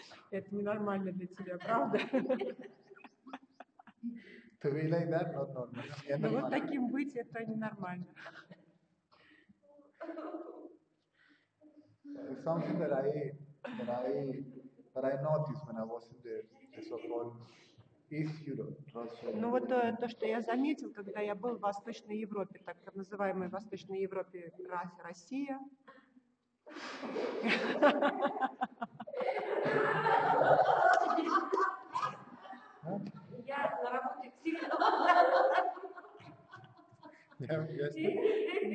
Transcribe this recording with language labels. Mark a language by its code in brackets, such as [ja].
[ru] Это ненормально для тебя, правда? [en] To be like that, not normal. [ru] Но вот таким быть, это ненормально. [en] It's something that I noticed when I was in the so-called East Europe. [ru] Ну вот то, что я заметил, когда я был в Восточной Европе, так называемой Восточной Европе, Россия. Я на работе всегда.